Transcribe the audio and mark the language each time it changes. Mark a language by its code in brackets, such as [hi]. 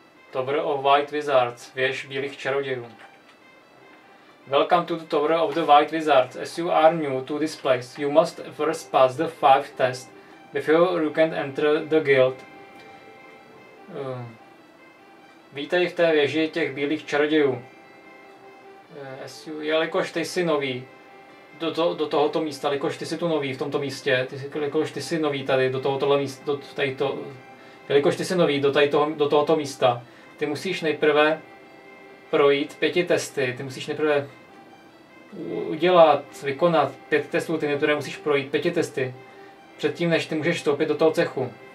[en] Tower of White Wizards, [cs] věž bílých čarodějů. [en] Welcome to the Tower of the White Wizards. As you are new to this place, you must first pass the 5 tests before you can enter the guild. [cs] Vítej v té věži těch bílých čarodějů. Jelikož ty jsi nový do tohoto místa, jelikož ty jsi tu nový v tomto místě, jelikož ty jsi nový tady do tohoto místa, jelikož ty jsi nový do tohoto místa, ty musíš nejprve projít 5 testy, ty musíš nejprve udělat, vykonat 5 testů, ty nejprve musíš projít 5 testy předtím, než ty můžeš vstoupit do toho cechu.